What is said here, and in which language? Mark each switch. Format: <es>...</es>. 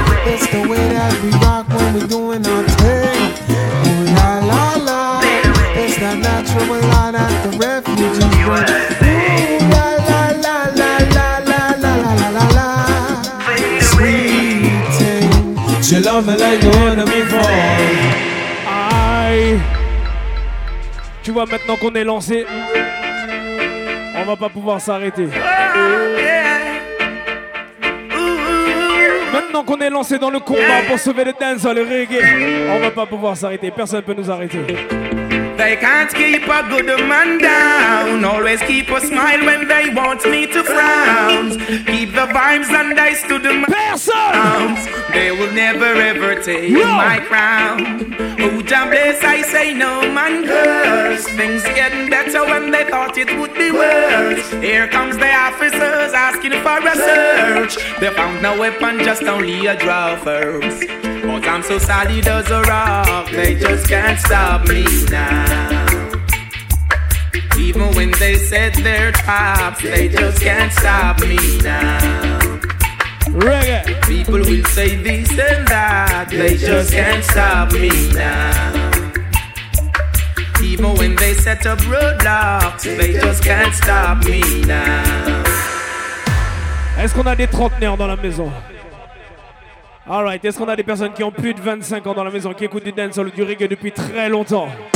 <en>It's the way that we rock when we doing our thing. Ooh la la la. It's that natural way that the refugees bring. Ooh la la la la la la la la la la la. Sweet thing. She love me like the one of me fall. Aïe.</en> <fr>Tu vois maintenant qu'on est lancé, on va pas pouvoir s'arrêter. Maintenant qu'on est lancé dans le combat pour sauver le dance, le reggae, on va pas pouvoir s'arrêter, personne peut nous arrêter.</fr> <en>They can't keep a good man down. Always keep a smile when they want me to frown. Keep the vibes and I stood the man. Person! They will never ever take no. My crown. Oh, Jah bless, I say no man curse. Things getting better when they thought it would be worse. Here comes the officers asking for a search. They found no weapon, just only a draw first. But I'm so solid as a rock, they just can't stop me now. Even when they set their traps, they just can't stop me now. Reggae. People will say this and that, they just can't stop me now. Even when they set up roadblocks, they just can't stop me now.</en> <fr>Est-ce qu'on a des trentenaires dans la maison? Alright, est-ce qu'on a des personnes qui ont plus de 25 ans dans la maison, qui écoutent du dancehall ou du reggae depuis très longtemps?</fr>